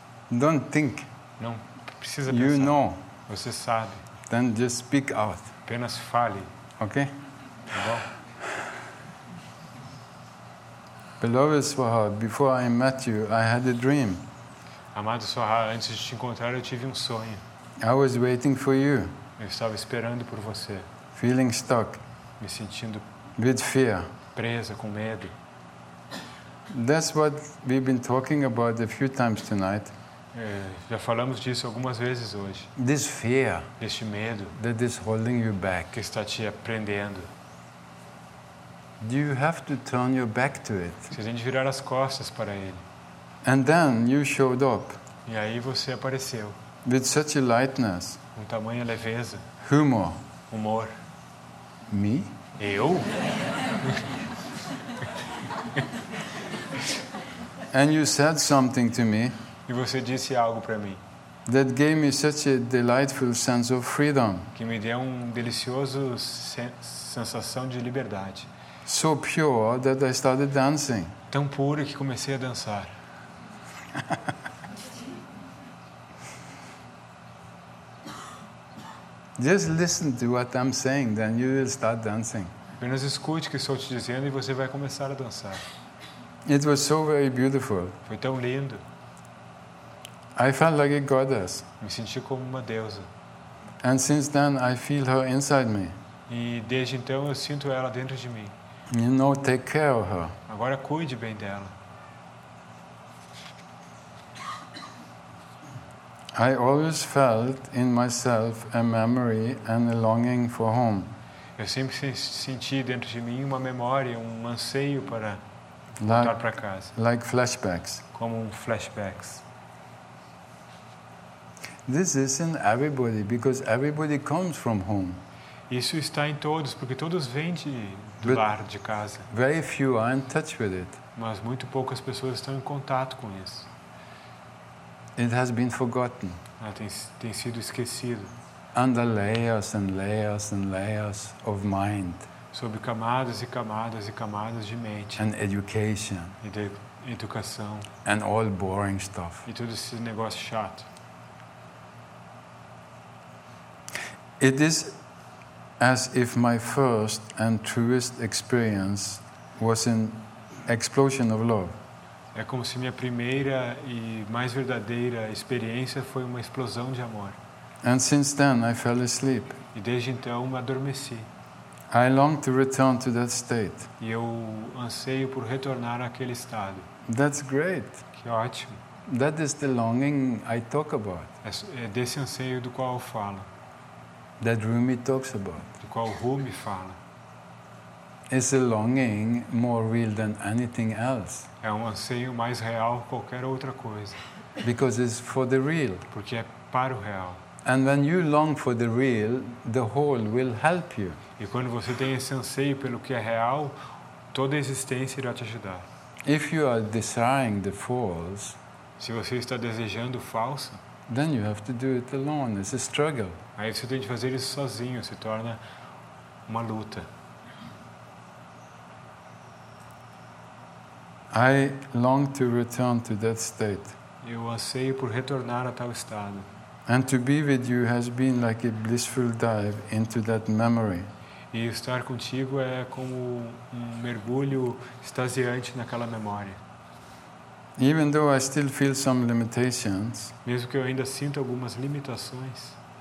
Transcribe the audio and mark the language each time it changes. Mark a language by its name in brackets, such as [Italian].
[English] Don't think. [Portuguese] Não precisa pensar. [English] You know. [Portuguese] Você sabe. [English] Then just speak out. [Portuguese] Apenas fale. [English] Okay? [Portuguese] Tá bom? [English] Beloved Swaha, before I met you, I had a dream. [Portuguese] Amado Swaha, antes de te encontrar, eu tive um sonho. [English] I was waiting for you. [Portuguese] Eu estava esperando por você. [English] Feeling stuck. [Portuguese] Me sentindo [English] with fear. [Portuguese] Presa, com medo. [English] That's what we've been talking about a few times tonight. [Portuguese] É, já falamos disso algumas vezes hoje. [English] This fear. [Portuguese] Deste medo. [English] That is holding you back. [Portuguese] Que está te prendendo. [English] do you have to turn your back to it? [Portuguese] Você tem de virar as costas para ele. [English] And then you showed up. [Portuguese] E aí você apareceu. [English] With such a lightness. [Portuguese] Com tamanha leveza. [English] Humor. [Portuguese] Humor. [English] Me? [Portuguese] Eu? [English] And you said something to me. [Portuguese] E você disse algo para mim. [English] That gave me such a delightful sense of freedom. [Portuguese] Que me deu um delicioso sensação de liberdade. [English] So pure that I started dancing. [Portuguese] Tão puro que comecei a dançar. [English] Just listen to what I'm saying, then you will start dancing. [Portuguese] Apenas escute o que estou te dizendo e você vai começar a dançar. [English] It was so very beautiful. [Portuguese] Foi tão lindo. [English] I felt like a goddess. [Portuguese] Me senti como uma deusa. [English] And since then I feel her inside me. [Portuguese] E desde então eu sinto ela dentro de mim. [English] You know, take care of her. [Portuguese] Agora cuide bem dela. [English] I always felt in myself a memory and a longing for home. [Portuguese] Eu sempre senti dentro de mim uma memória, um anseio para voltar para casa. [English] Like flashbacks. [Portuguese] Como flashbacks. [English] This is in everybody because everybody comes from home. [Portuguese] Isso está em todos porque todos vêm de do lar, de casa. [English] Very few are in touch with it. [Portuguese] Mas muito poucas pessoas estão em contato com isso. [English] It has been forgotten. [Portuguese] Ah, tem sido esquecido. [English] Under layers and layers and layers of mind. [Portuguese] Sob camadas e camadas e camadas de mente. [English] And education. [Portuguese] E de educação. [English] And all boring stuff. [Portuguese] E tudo esse negócio chato. [English] It is as if my first and truest experience was an explosion of love. [Portuguese] É como se minha primeira e mais verdadeira experiência foi uma explosão de amor. [English] And since then I fell asleep. [Portuguese] E desde então me adormeci. [English] I long to return to that state. [Portuguese] E eu anseio por retornar àquele estado. [English] That's great. [Portuguese] Que ótimo. [English] That is the longing I talk about. [Portuguese] É desse anseio do qual eu falo. [English] That Rumi talks about. [Portuguese] Do qual Rumi fala. [English] It's a longing more real than anything else. [Portuguese] É um anseio mais real que qualquer outra coisa. [English] Because it's for the real. [Portuguese] Porque é para o real. [English] And when you long for the real, the whole will help you. [Portuguese] E quando você tem esse anseio pelo que é real, toda a existência irá te ajudar. [English] If you are desiring the false, [Portuguese] se você está desejando o falso, [English] then you have to do it alone. It's a struggle. [Portuguese] Aí você tem de fazer isso sozinho, se torna uma luta. [English] I long to return to that state. [Portuguese] Eu anseio por retornar a tal estado. [English] And to be with you has been like a blissful dive into that memory. [Portuguese] E estar contigo é como um mergulho extasiante naquela memória. [English] Even though I still feel some limitations. [Portuguese] Mesmo que eu ainda sinta algumas limitações.